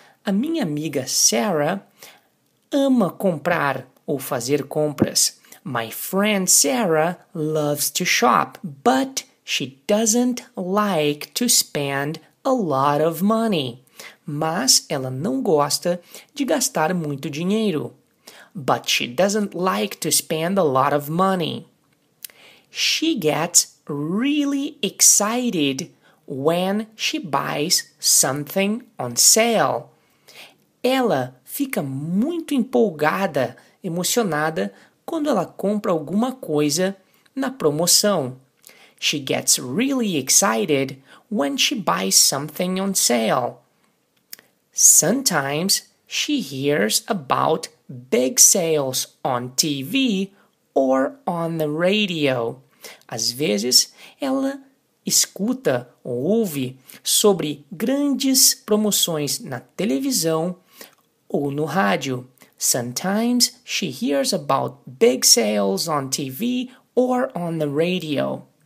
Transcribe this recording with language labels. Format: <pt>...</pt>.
<pt>A minha amiga Sarah ama comprar ou fazer compras.</pt> <en>My friend Sarah loves to shop, but she doesn't like to spend a lot of money.</en> <pt>Mas ela não gosta de gastar muito dinheiro.</pt> <en>But she doesn't like to spend a lot of money. She gets really excited when she buys something on sale.</en> <pt>Ela fica muito empolgada, emocionada quando ela compra alguma coisa na promoção.</pt> <en>She gets really excited when she buys something on sale. Sometimes she hears about big sales on TV or on the radio.</en> <pt>Às vezes ela escuta ou ouve sobre grandes promoções na televisão ou no rádio.</pt> <en>Sometimes she hears about big sales on TV or on the radio.</en>